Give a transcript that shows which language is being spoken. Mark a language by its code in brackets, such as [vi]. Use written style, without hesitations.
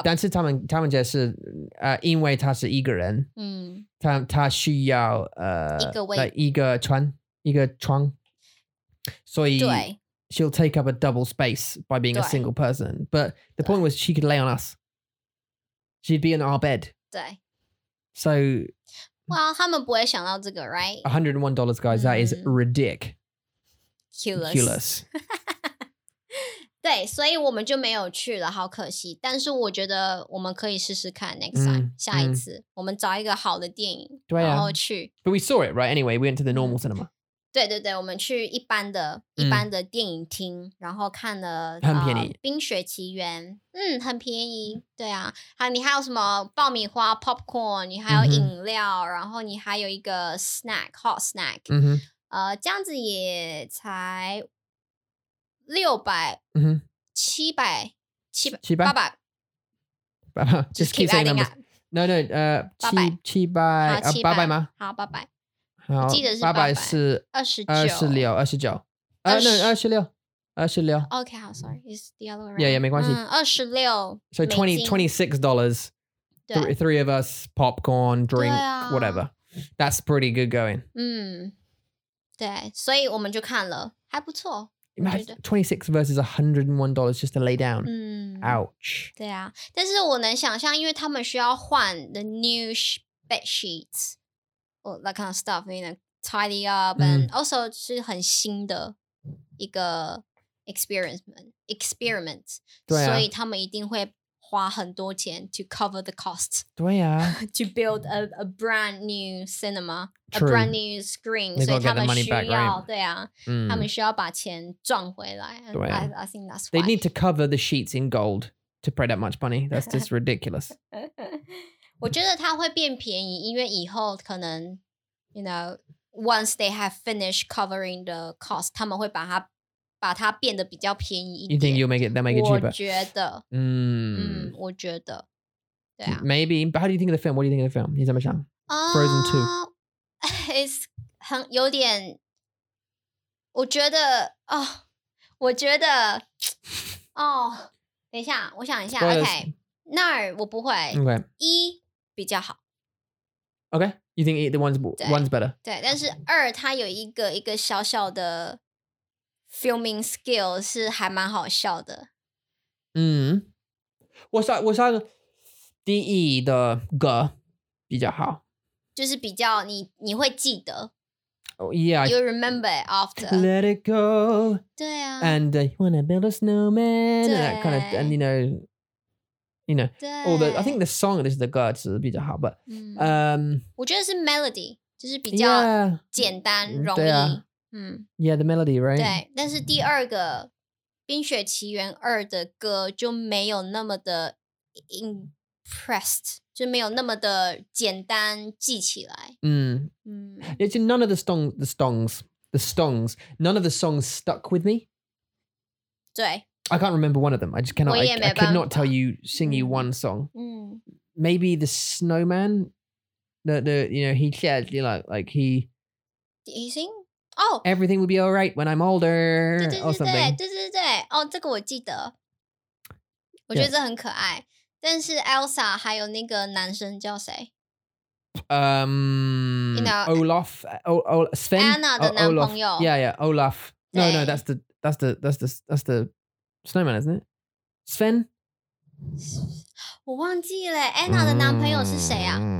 [zh] Yeah, 但是他们解释, 因为他是一个人, 他需要, 一个床, [en] so she'll take up a double space by being a single person. But the point was she could lay on us. She'd be in our bed. So. [zh] Well, 他们不会想到这个, right? [en] $101, guys, that is ridiculous. [zh] 对,所以我们就没有去了,好可惜.但是我觉得我们可以试试看 [en] next time, [zh] 下一次. 我们找一个好的电影, 然后去. [en] But we saw it, right? Anyway, we went to the normal cinema. [zh] 对对对，我们去一般的一般的电影厅，然后看了很便宜 《冰雪奇缘》，嗯，很便宜，对啊。还有你还有什么爆米花 popcorn， 你还有饮料，然后你还有一个 snack [en] hot snack， [zh] 这样子也才600，七百， [en] just keep saying numbers。 [zh] No, no, 七百，八百吗？好，八百。好，记得是八百是 29，二十六，二十六。 [en] Okay, how sorry, it's the other way around. [zh] Yeah, yeah, 没关系。 26。 [en] So $26, three of us, popcorn, drink, whatever. That's pretty good going. [zh] 对，所以我们就看了，还不错。 [en] 26 versus $101 just to lay down. Ouch. [zh] 对啊，但是我能想象，因为他们需要换 [en] the new bed sheets, or that kind of stuff, you know, tidy up, and also [zh] 是很新的一个 [en] experiment. [zh] 对啊，所以他们一定会花很多钱 [en] to cover the cost. [zh] 对啊， [en] to build a brand new cinema. True. A brand new screen. They've so they the money back, right? [zh] 对啊，他们需要把钱赚回来。对啊， [en] I think that's why. They need to cover the sheets in gold to pay that much money. That's just ridiculous. [zh] 我觉得它会变便宜，因为以后可能 [en] you know, once they have finished covering the cost, [zh] 他们会把它把它变得比较便宜一点。 [en] You think you'll make it, they'll make it cheaper? [zh] 我觉得。我觉得。对啊。 [en] Maybe, but how do you think of the film? What do you think of the film? [zh] 你怎么想？ [en] Frozen 2. [zh] It's 很有点，我觉得，哦，我觉得，哦，等一下，我想一下。 [en] Spoilers. [zh] Okay. 那儿我不会。 [en] Okay. [zh] 一比较好。 [en] Okay. You think the one's better? [zh] 对，但是二它有一个小小的filming skill 是还蛮好笑的。我想第一的歌比较好，就是比较你会记得。 [en] Yeah, you remember it after. Let it go. [zh] 对啊。 [en] And you wanna build a snowman and that kind of, and you know, all the, I think the song is the [zh] 歌词比较好 [en] but, [zh] 我觉得是 melody, 就是比较简单容易。 [en] Yeah, the melody, right? [zh] 对，但是第二个《冰雪奇缘二》的歌就没有那么的 impressed， 就没有那么的简单记起来。 [en] It's none of the songs, none of the songs stuck with me. [zh] 对 [en] ，I can't remember one of them. I just cannot. I could not tell you sing you one song. Maybe the snowman, the you know he said you know like he. Did he sing? Oh, everything will be all right when I'm older. [zh] 对对对对对对哦，这个我记得，我觉得这很可爱。但是 Elsa 还有那个男生叫谁？ [en] Olaf, Sven, [zh] Anna 的男朋友。 [en] Yeah, yeah, Olaf. No, no, that's the snowman, isn't it? Sven. [zh] 我忘记了 Anna 的男朋友是谁啊？